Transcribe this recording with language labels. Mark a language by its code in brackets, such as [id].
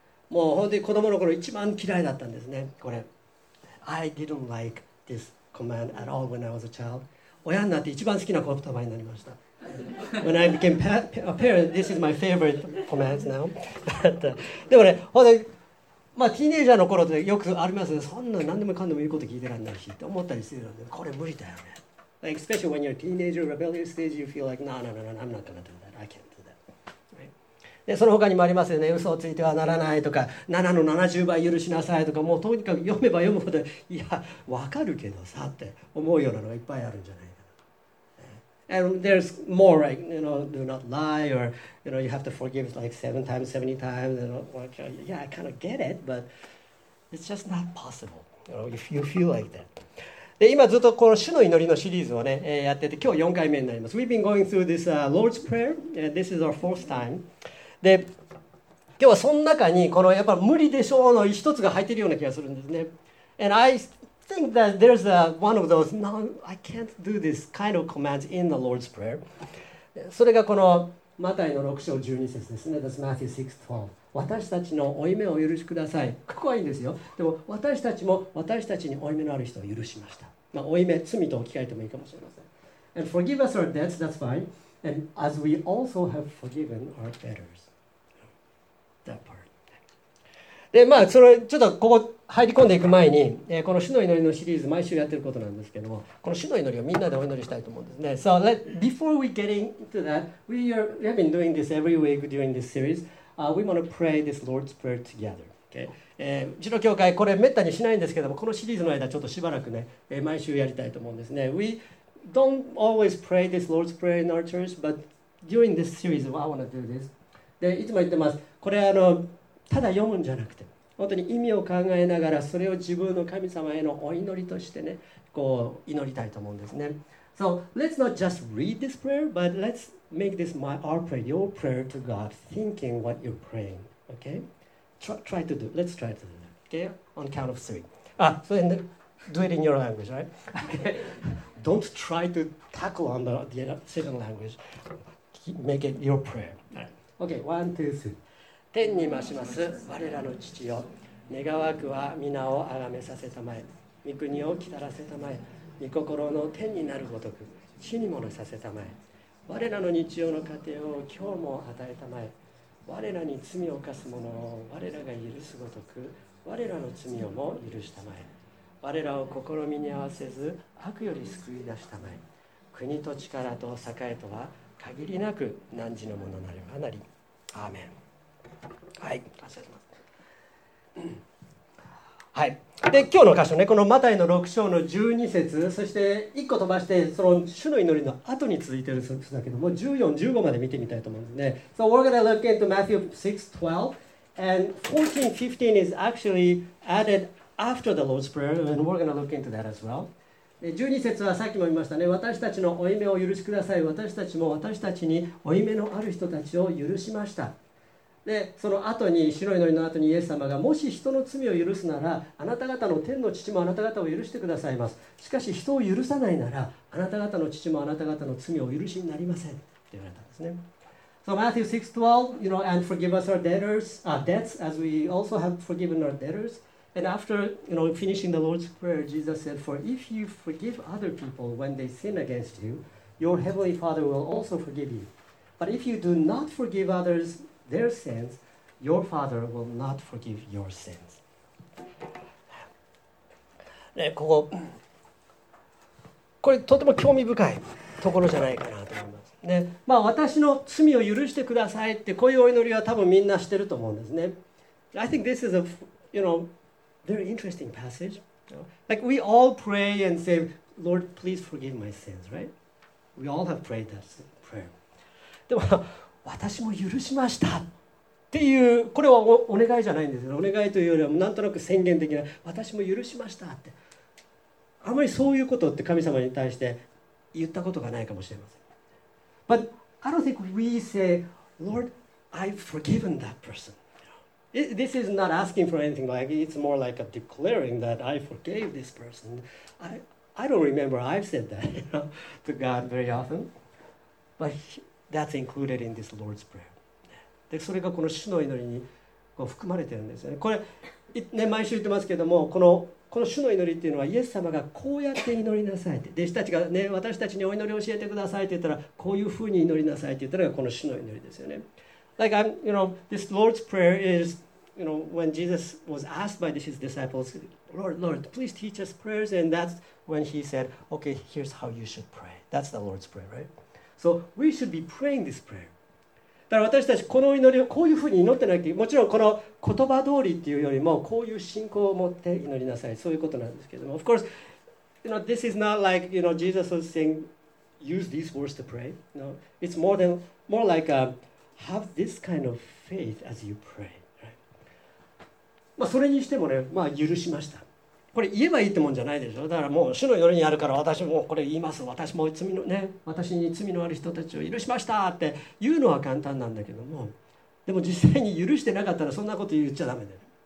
[ja] もう本当に子供の頃一番嫌いだったんですね、これ。 [en] I didn't like this command at all when I was a child. [ja] 親になって一番好きな言葉になりました。 [en] When I became a parent, this is my favorite command now. [ja] But, でもね、本当にまあ、ティーネイジャーの頃でよくありますね。そんな何でもかんでも言うこと聞いてらんないしって思ったりするので、これ無理だよね。 [en] Like, especially when you're a teenager, rebellious stage, you feel like, no, I'm not gonna do that. I can't do that.、Right? [ja] で、その他にもありますよね。嘘をついてはならないとか、7の70倍許しなさいとか、もうとにかく読めば読むほど、いや、わかるけどさって思うようなのがいっぱいあるんじゃないかな。 [en] And there's more, like, you know, do not lie, or, you know, you have to forgive like 7 times, 70 times, and, like, yeah, I kind of get it, but it's just not possible, you know, if you feel like that. [ja] で、今ずっとこの主の祈りのシリーズをね、やってて、今日4回目になります。 [en] We've been going through this Lord's Prayer, and this is our fourth time. [ja] で、今日はその中に、このやっぱり無理でしょうの一つが入っているような気がするんですね。 [en] And I... I think that there's a, one of those, no, I can't do this kind of commands in the Lord's Prayer. [ja] それがこのマタイの6章12節ですね。 [en] That's Matthew 6:12. [ja] 私たちの負い目を許しください。ここはいいんですよ。でも私たちも私たちに負い目のある人を許しました。まあ、負い目、罪と置き換えてもいいかもしれません。 [en] And forgive us our debts, that's fine. And as we also have forgiven our debtors. That part. [ja] でまあ、それちょっとここ入り込んでいく前に、この主の祈りのシリーズ毎週やってることなんですけども、この主の祈りをみんなでお祈りしたいと思うんですね。 [en] So let, before we get into that, we have been doing this every week during this series. We want to pray this Lord's Prayer together. Okay? [ja] うちの教会これめったにしないんですけども、このシリーズの間ちょっとしばらくね、毎週やりたいと思うんですね。 [en] We don't always pray this Lord's Prayer in our church, but during this series, I want to do this. [ja] でいつも言ってます。これあのただ読むんじゃなくて、本当に意味を考えながら、それを自分の神様へのお祈りとしてね、こう祈りたいと思うんですね。 [en] So, let's not just read this prayer, but let's make this my, our prayer, your prayer to God, thinking what you're praying, okay? Try to do, let's try to do that, okay? On count of three. Ah, so then, do it in your language, right? Don't try to tackle on the second language. Make it your prayer. Okay, one, two, three. [ja] 天にまします我らの父よ、願わくは皆をあがめさせたまえ、御国をきたらせたまえ、御心の天になるごとく地にものさせたまえ、我らの日常の糧を今日も与えたまえ、我らに罪を犯す者を我らが許すごとく我らの罪をも許したまえ、我らを試みに合わせず悪より救い出したまえ、国と力と栄えとは限りなく何時のものなればなり、アーメン。はい、感謝します。はい、で今日の箇所ね、このマタイの6章の12節、そして1個飛ばして、その主の祈りの後に続いているんだけども、14、15まで見てみたいと思うんですね。 [en] So we're going to look into Matthew 6:12, and 14, 15 is actually added after the Lord's Prayer, and we're going to look into that as well. [ja] 12節はさっきも言いましたね、私たちの負い目を許しください、私たちも私たちに負い目のある人たちを許しました。でその後に白い祈りの後にイエス様がもし人の罪を許すならあなた方の天の父もあなた方を許してくださいます。しかし人を許さないならあなた方の父もあなた方の罪を許しになりませんって言われたんですね。 [en] So Matthew 6:12, you know, and forgive us our debtors, debts, as we also have forgiven our debtors. And after, you know, finishing the Lord's Prayer, Jesus said, "For if you forgive other people when they sin against you, your heavenly Father will also forgive you. But if you do not forgive others their sins, your Father will not forgive your sins." [ja] ね、ここ、これとても興味深いところじゃないかなと思います。ね、まあ、私の罪を許してくださいってこういうお祈りは多分みんなしてると思うんですね。 [en] I think this is a, you know, very interesting passage. Like we all pray and say, "Lord, please forgive my sins," right? We all have prayed that prayer. [ja] でも私も許しましたっていう、これは お願いじゃないんですよ。お願いというよりはなんとなく宣言的な、私も許しましたって、あまりそういうことって神様に対して言ったことがないかもしれません。 [en] But I don't think we say, "Lord, I've forgiven that person." This is not asking for anything. Like, it's more like a declaring that I forgave this person. I don't remember I've said that, you know, to God very often. But that's included in this Lord's Prayer. [ja] で、それがこの主の祈りにこう含まれてるんですよね。これ、ね、毎週言ってますけども、この主の祈りっていうのはイエス様がこうやって祈りなさいって、弟子たちがね、私たちにお祈り教えてくださいって言ったら、こういうふうに祈りなさいって言ったのがこの主の祈りですよね。 [en] Like, you know, this Lord's Prayer is, you know, when Jesus was asked by his disciples, "Lord, Lord, please teach us prayers," and that's when he said, "Okay, here's how you should pray." That's the Lord's Prayer, right? So we should be praying this prayer. [ja] だから私たちこの祈りをこういうふうに祈ってなきゃ、もちろんこの言葉通りっていうよりもこういう信仰を持って祈りなさい、そういうことなんですけども、 [en] of course, you know, this is not like, you know, Jesus was saying, "Use these words to pray." No, it's more than, more like a,Have this kind of faith as you pray, right? [ja] まあそれにしてもね、まあ許しました。これ言えばいいってもんじゃないでしょ。だからもう主の祈りにあるから私もこれ言います。私も罪のね、私に罪のある人たちを許しましたって言うのは簡単なんだけども、でも実際に許してなかったらそんなこと言っちゃダメだよ。